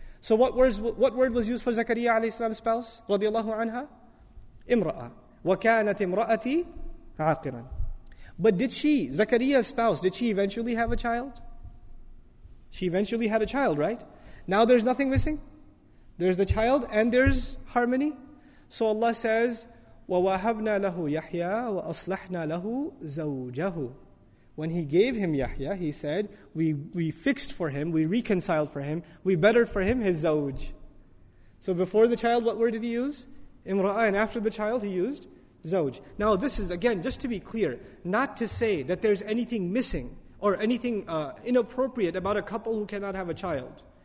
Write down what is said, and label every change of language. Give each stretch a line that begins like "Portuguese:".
English: So what word was used for Zakariya alayhi salam's spouse, radiallahu anha?
Arabic: Imra'ah. وَكَانَتْ إِمْرَأَتِي عَاقِرًا.
English: But did she, Zakariya's spouse, did she eventually have a child? She eventually had a child, right? Now there's nothing missing. There's the child and there's harmony. So Allah says,
Arabic: وَوَهَبْنَا لَهُ يَحْيَا وَأَصْلَحْنَا لَهُ زَوْجَهُ.
English: When he gave him Yahya, he said, we fixed for him, we reconciled for him, we bettered for him his zawj. So before the child, what word did he use? Imra'ah, and after the child, he used zawj. Now this is, again, just to be clear, not to say that there's anything missing or anything inappropriate about a couple who cannot have a child.